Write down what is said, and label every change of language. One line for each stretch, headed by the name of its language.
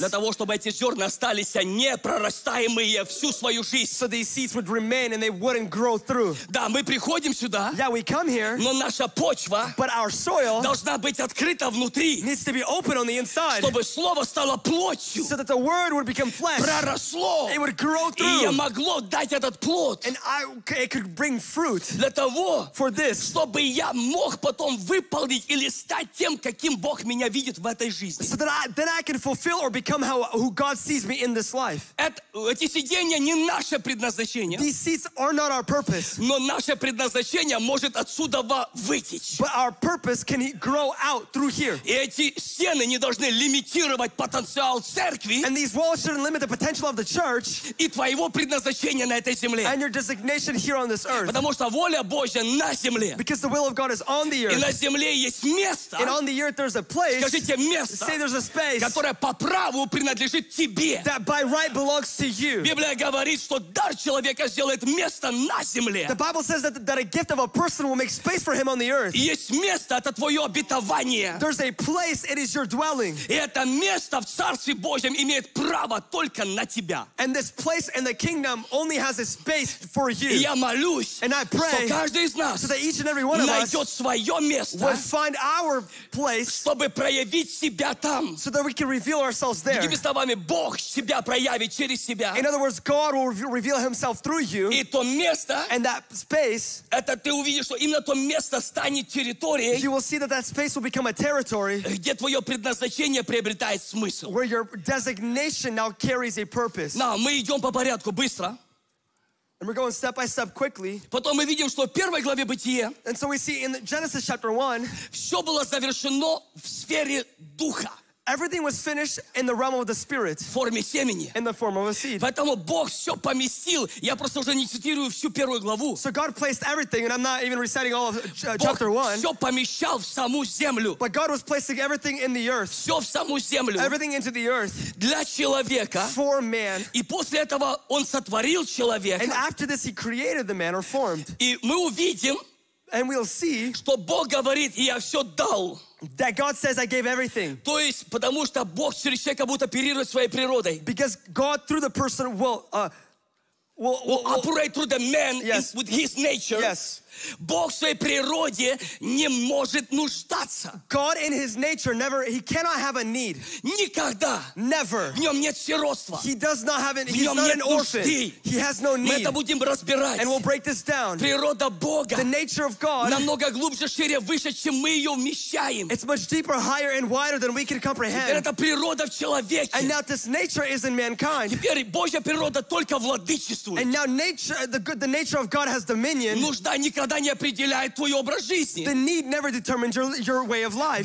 Russian: Для того, чтобы эти зерна остались непрорастаемые всю свою жизнь.
English: So these seeds would remain and they wouldn't grow through.
Russian: Да, мы приходим сюда.
English: Yeah, we come here.
Russian: Но наша почва,
English: but our soil,
Russian: должна быть открыта внутри.
English: Needs to be open on the inside.
Russian: Чтобы слово стало плотью.
English: So that the word would become flesh.
Russian: Проросло.
English: It would grow through.
Russian: И я могло дать этот плод.
English: And it could bring fruit.
Russian: Для того,
English: for this,
Russian: чтобы я мог потом выполнить или стать тем, каким Бог меня видит в этой жизни.
English: So that I can fulfill or become who God sees me in this life.
Russian: Эти сиденья не наше предназначение.
English: These seats are not our purpose.
Russian: Но наше предназначение может отсюда выйти.
English: But our purpose can grow out through here.
Russian: И эти стены не должны лимитировать потенциал церкви.
English: And these walls shouldn't limit the potential of the church.
Russian: И твоего предназначения на этой земле.
English: And your designation here on this earth.
Russian: Потому что воля Божья на земле.
English: Because the will of God is on the earth.
Russian: И на земле есть место.
English: And on the earth there's a place.
Russian: Скажите место.
English: Say there's a space.
Russian: Которое по праву принадлежит тебе.
English: That by right belongs to you.
Russian: Библия говорит, что дар человека сделает место на земле.
English: The Bible says that a gift of a person will make space for him on the earth.
Russian: Есть место, это твое обетование.
English: There's a place, it is your dwelling.
Russian: И это место в Царстве Божьем имеет право только на тебя.
English: And this place in the kingdom only has a space for you.
Russian: Я молюсь,
English: and I pray,
Russian: что каждый из нас,
English: so that each and every one of
Russian: найдет свое место,
English: will find our place,
Russian: чтобы проявить себя там,
English: so that we can reveal ourselves there.
Russian: Другими словами, Бог себя проявит через себя.
English: In other words, God will reveal himself through you.
Russian: И то место,
English: and that space,
Russian: это ты увидишь, что именно то место станет территорией,
English: you will see that space will become a territory,
Russian: где твое предназначение приобретает смысл.
English: Where your designation now carries a purpose.
Russian: Now, мы идем по порядку, быстро.
English: And we're going step by step quickly.
Russian: Потом мы видим, что в первой главе Бытия,
English: and so we see in Genesis chapter 1,
Russian: все было завершено в сфере духа.
English: Everything was finished in the realm of the spirit.
Russian: В форме семени.
English: In the form of a seed.
Russian: Поэтому Бог все поместил. Я просто уже не цитирую всю первую главу.
English: So God placed everything, and I'm not even reciting all of chapter 1.
Russian: Бог все помещал в саму землю.
English: But God was placing everything in the earth.
Russian: Все в саму землю.
English: Everything into the earth.
Russian: Для человека.
English: For man.
Russian: И после этого он сотворил человека.
English: And after this, he created the man or formed.
Russian: И мы увидим.
English: And we'll see.
Russian: Что Бог говорит, и я все дал.
English: That God says I gave everything.
Russian: То есть, потому что Бог через человека будет оперировать своей природой.
English: Because God through the person will operate through the man, yes, with his nature. Yes.
Russian: Бог в своей природе не может нуждаться.
English: God in his nature never, he cannot have a need.
Russian: Никогда.
English: Never.
Russian: В нем нет сиротства.
English: He does not have an, he's not an orphan.
Russian: Нужды.
English: He has no need.
Russian: Мы это будем разбирать.
English: And we'll break this down.
Russian: Природа Бога.
English: The nature of God.
Russian: Намного глубже, шире, выше, чем мы ее вмещаем.
English: It's much deeper, higher, and wider than we can comprehend.
Russian: Теперь это природа в человеке.
English: And now this nature is in mankind.
Russian: Теперь Божья природа только владычествует.
English: And now nature, the nature of God has dominion.
Russian: Нужда не когда не определяет твой образ жизни.
English: The need never determines your way of life.